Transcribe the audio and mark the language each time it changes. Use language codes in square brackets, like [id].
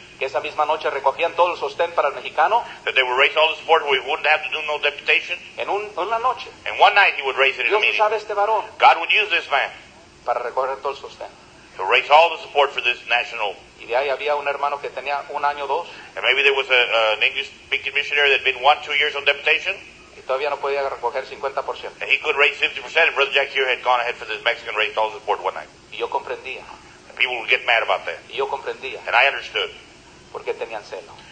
[es] Que esa misma noche recogían todo el sostén para el mexicano. [en] That they would raise all the support, we wouldn't have to do no deputation. [es] En una noche. [en] And one night he would raise it in a meeting. [es] Dios usaba este varón. [en] God would use this man. [es] Para recoger todo el sostén. [en] To raise all the support for this national. [es] Y de ahí había un hermano que tenía un año o dos. [en] And maybe there was an English-speaking missionary that had been 1-2 years on deputation. [es] Y todavía no podía recoger 50%. [en] And he could raise 50%. And Brother Jack here had gone ahead for this Mexican, raised all the support one night. [es] Y yo comprendía. [en] And people would get mad about that. [es] Y yo comprendía. [en] And I understood. [es] Porque tenían celo.